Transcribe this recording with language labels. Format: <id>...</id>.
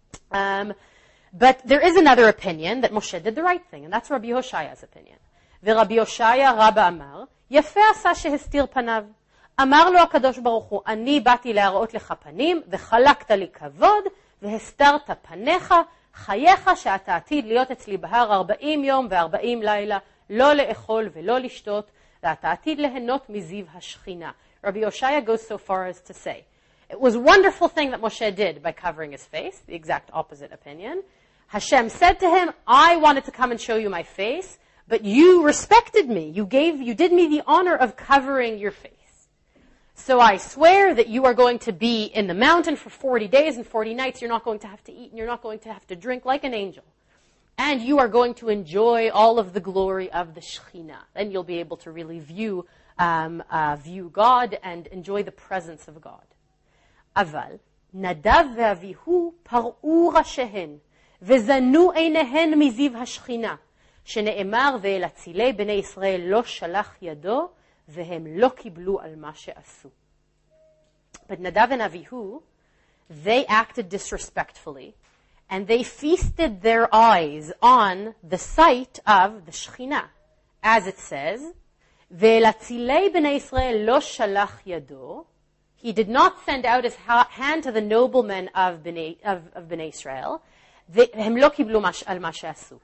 <en>But there is another opinion that Moshe did the right thing, and that's Rabbi Hoshaya's opinion.</en> <he>V'Rabbi Hoshaya Rabba Amar, Yafe Asa Shehistir Panav, Amar Lo HaKadosh Baruch Hu, Ani Bati Le'araot Lecha Panim, V'Chalakta Li Kavod, V'Histarta Panecha, חייך שאתה עתיד להיות אצלי בהר 40 יום ו-40 לילה, לא לאכול ולא לשתות, ואתה עתיד להנות מזיו השכינה.</he> <en>Rabbi Hoshaya goes so far as to say, it was a wonderful thing that Moshe did by covering his face, the exact opposite opinion. Hashem said to him, I wanted to come and show you my face, but you respected me. You did me the honor of covering your face. So I swear that you are going to be in the mountain for 40 days and 40 nights. You're not going to have to eat and you're not going to have to drink like an angel. And you are going to enjoy all of the glory of the Shekhinah. Then you'll be able to really view God and enjoy the presence of God.</en> <he>Aval Nadav ve'Avihu par'u rashehen ve'zanu einehen miziv ha'Shekhinah. שנאמר ואל הצילי בני ישראל לא שלח ידו והם לא קיבלו על מה שעשו.</he> <en>But Nadav and Avihu, they acted disrespectfully and they feasted their eyes on the sight of the Shekhinah. As it says,</en> <he>ואל הצילי בני ישראל לא שלח ידו,</he> <en>he did not send out his hand to the noblemen of Bnei Israel,</en> <he>והם לא קיבלו על מה שעשו.</he>